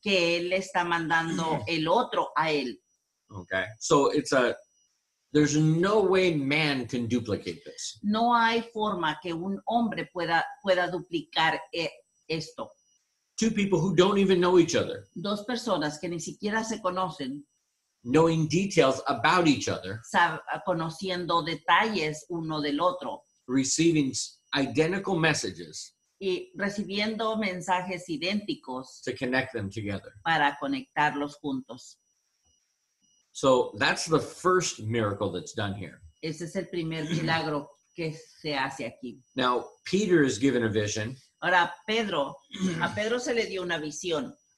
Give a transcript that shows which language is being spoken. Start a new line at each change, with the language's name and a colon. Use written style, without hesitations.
Spanish: Que él está mandando el otro a él.
English: Okay. So it's a, there's no way man can duplicate this.
Spanish: No hay forma que un hombre pueda duplicar esto.
English: Two people who don't even know each other.
Spanish: Dos personas que ni siquiera se conocen.
English: Knowing details about each other.
Spanish: Conociendo detalles uno del otro.
English: Receiving identical messages.
Spanish: Y recibiendo mensajes idénticos.
English: To connect them together.
Spanish: Para conectarlos juntos.
English: So that's the first miracle that's done here.
Spanish: Ese es el primer milagro que se hace aquí.
English: Now, Peter is given a vision.
Spanish: Ahora, a Pedro se le dio una visión.